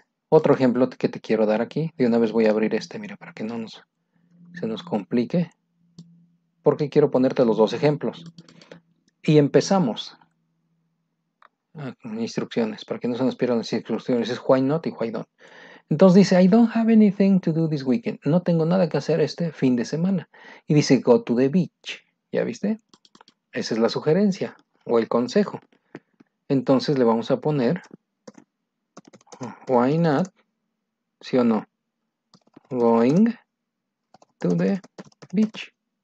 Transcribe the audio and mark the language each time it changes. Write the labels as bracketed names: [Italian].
[Spanish] Otro ejemplo que te quiero dar aquí. De una vez voy a abrir este, mira, para que no se nos complique. Porque quiero ponerte los dos ejemplos. Y empezamos. Instrucciones, para que no se nos pierdan las instrucciones. Es [English] why not [Spanish] y [English] why don't. [Spanish] Entonces dice, [English] I don't have anything to do this weekend. [Spanish] No tengo nada que hacer este fin de semana. Y dice, [English] go to the beach. [Spanish] ¿Ya viste? Esa es la sugerencia o el consejo. Entonces le vamos a poner, [English] why not, [Spanish] sí o no, [English] going to the beach.